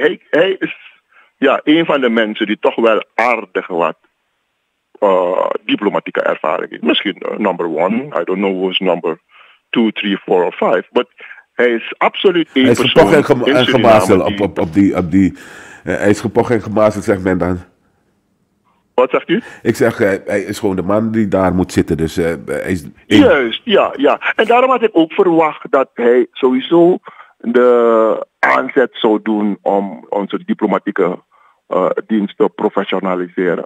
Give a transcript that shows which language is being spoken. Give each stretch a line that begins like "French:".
Dutch: Hij is een van de mensen die toch wel aardig wat diplomatieke ervaring is. Misschien
English: number one. I don't know who is number 2, 3, 4 or 5.
Dutch: But hij is absoluut één persoon. Hij is gepocht en gemazeld. Hij is gepocht en gemazeld, zegt men dan. Wat zegt u? Ik zeg, hij is gewoon de man die daar moet zitten. Dus, hij is juist, ja, ja. En daarom had ik ook verwacht dat hij sowieso de aanzet zou doen om onze diplomatieke dienst te professionaliseren.